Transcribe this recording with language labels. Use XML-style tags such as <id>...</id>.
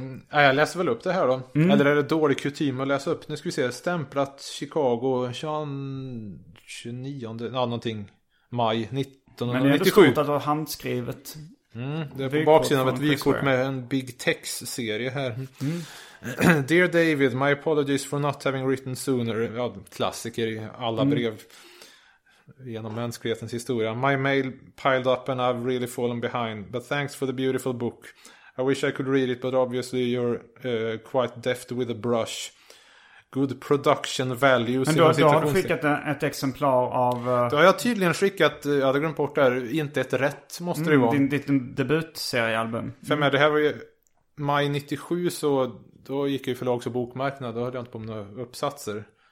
<sv>Jag läser väl upp det här då. Eller är det dålig kutym att läsa upp? Nu ska vi se. Stämplat Chicago 29 maj 19. Men det är ju skott att ha handskrivet. Det är på baksidan av ett vykort med en Big Tex-serie här.</sv> <en>Dear David, my apologies for not having written sooner.</en> <sv>Ja, klassiker i alla brev genom mänsklighetens historia.</sv> <en>My mail piled up and I've really fallen behind. But thanks for the beautiful book. I wish I could read it, but obviously you're quite deft with a brush. Good production value.</en> <sv>Men då har du skickat ett exemplar av... Då har jag tydligen skickat, jag hade glömt bort det här, inte ett rätt måste det vara. Ditt debutseriealbum. För mig, det här var ju maj 97, så då gick ju förlags- och bokmarknad. Då hade jag inte på några uppsatser.</sv>